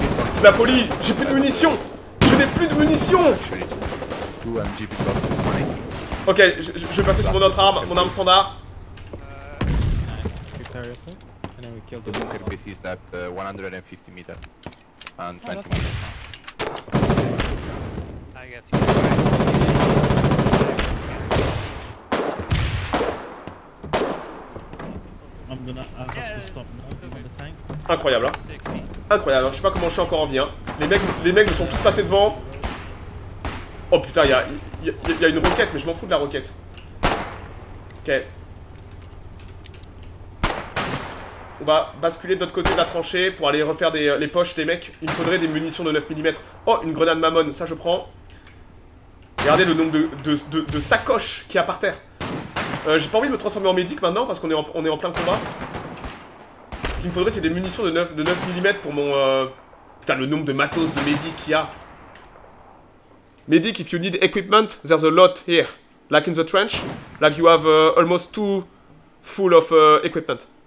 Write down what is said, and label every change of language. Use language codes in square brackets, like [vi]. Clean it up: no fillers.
[fr] C'est la folie, j'ai plus de munitions. Je n'ai plus de munitions. Ok, je vais passer sur mon autre arme, mon arme standard. [en] The bunker PC is at 150 meters and 20 meters. I got you. [fr] Incroyable, hein. Incroyable, hein. Je sais pas comment je suis encore en vie, hein. Les mecs me sont tous passés devant. Oh putain, y a une roquette, mais je m'en fous de la roquette. Ok. On va basculer de l'autre côté de la tranchée pour aller refaire les poches des mecs. Il me faudrait des munitions de 9 mm. Oh, une grenade Mammon, ça je prends. Regardez le nombre de sacoches qu'il y a par terre. J'ai pas envie de me transformer en médic maintenant parce qu'on est en plein combat. Ce qu'il me faudrait, c'est des munitions de 9 mm pour mon... Putain, le nombre de matos de médic qu'il y a. [en] Médic, if you need equipment, there's a lot here. Like in the trench, like you have almost two full of equipment.